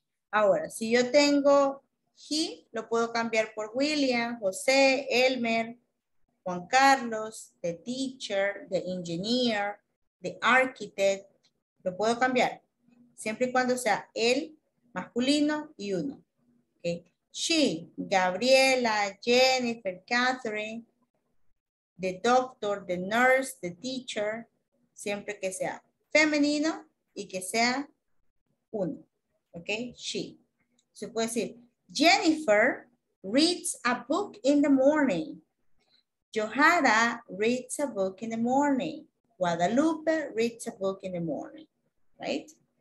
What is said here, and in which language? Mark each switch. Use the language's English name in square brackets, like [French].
[Spanish] Ahora, si yo tengo he, lo puedo cambiar por William, José, Elmer, Juan Carlos, the teacher, the engineer, the architect. Lo puedo cambiar. Siempre y cuando sea él, masculino y uno. Okay. [English] She, Gabriela, Jennifer, Catherine, the doctor, the nurse, the teacher. [Spanish] Siempre que sea femenino y que sea uno. [English] Okay. She. Se puede decir, Jennifer reads a book in the morning. Johara reads a book in the morning. Guadalupe reads a book in the morning. Right?